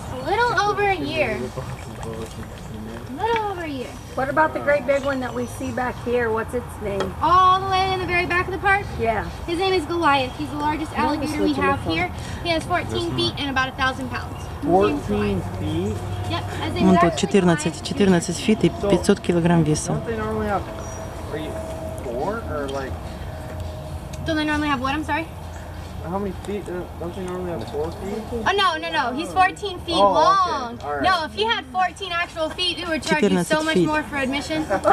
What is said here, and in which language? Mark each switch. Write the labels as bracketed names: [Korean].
[English] A little over a year. Here. What about the great big one that we see back here? What's its name? All the way in the very back of the park? Yeah. His name is Goliath. He's the largest alligator we have here. He has 14 feet and about 1,000 pounds. 14 feet? Yep. [Russian] Он тут [English] 14 feet [Russian] и 500 килограмм веса. [English] Don't they normally have 3-4 or like... Don't they normally have what? I'm sorry. How many feet? Don't they normally have 4 feet? Oh, no. He's 14 feet long. Okay. Right. No, if he had 14 actual feet, it would charge you so much more for admission.